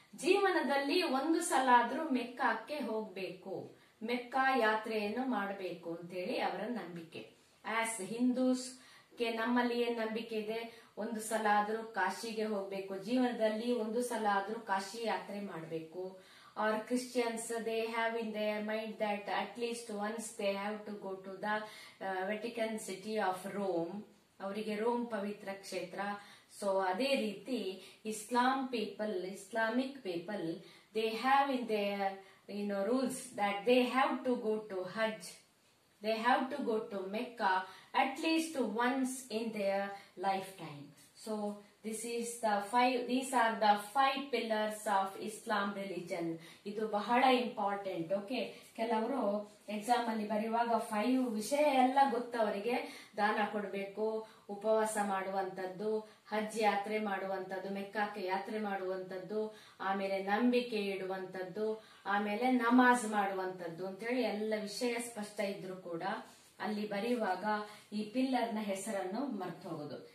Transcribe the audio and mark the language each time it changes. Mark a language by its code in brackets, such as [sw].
[kn] ಜೀವನದಲ್ಲಿ ಒಂದು ಸಲ ಆದರೂ ಮೆಕ್ಕಾಕ್ಕೆ ಹೋಗಬೇಕು, ಮೆಕ್ಕಾ ಯಾತ್ರೆಯನ್ನು ಮಾಡಬೇಕು ಅಂತೇಳಿ ಅವರ ನಂಬಿಕೆ. [en] as Hindus [kn] ಕ್ಕೆ ನಮ್ಮಲ್ಲಿ ಏನು ನಂಬಿಕೆ ಇದೆ, ಒಂದು ಸಲ ಆದರೂ ಕಾಶಿಗೆ ಹೋಗಬೇಕು, ಜೀವನದಲ್ಲಿ ಒಂದು ಸಲ ಆದರೂ ಕಾಶಿ ಯಾತ್ರೆ ಮಾಡಬೇಕು. [en] Or Christians, they have in their mind that at least once they have to go to the Vatican City of Rome. [kn] Avarige Rome pavitra kshetra. So ade riti [en] Islamic people, they have in their, you know, rules that they have to go to Hajj, they have to go to Mecca at least once in their lifetime. So these are the five pillars of Islam religion. [kn] ಇದು ಬಹಳ important. Okay, ಕೆಲವರು exam ಅಲ್ಲಿ ಬರೆಯುವಾಗ five ವಿಷಯ ಎಲ್ಲ ಗೊತ್ತು ಅವರಿಗೆ, ದಾನ ಕೊಡಬೇಕು, ಉಪವಾಸ ಮಾಡುವಂಥದ್ದು, ಹಜ್ ಯಾತ್ರೆ ಮಾಡುವಂಥದ್ದು, ಮೆಕ್ಕಾಕ್ಕೆ ಯಾತ್ರೆ ಮಾಡುವಂಥದ್ದು, ಆಮೇಲೆ ನಂಬಿಕೆ ಇಡುವಂಥದ್ದು, ಆಮೇಲೆ ನಮಾಜ್ ಮಾಡುವಂಥದ್ದು ಅಂತೇಳಿ ಎಲ್ಲ ವಿಷಯ ಸ್ಪಷ್ಟ ಇದ್ರು ಕೂಡ ಅಲ್ಲಿ ಬರೆಯುವಾಗ ಈ ಪಿಲ್ಲರ್ನ ಹೆಸರನ್ನು ಮರ್ತು ಹೋಗುದು.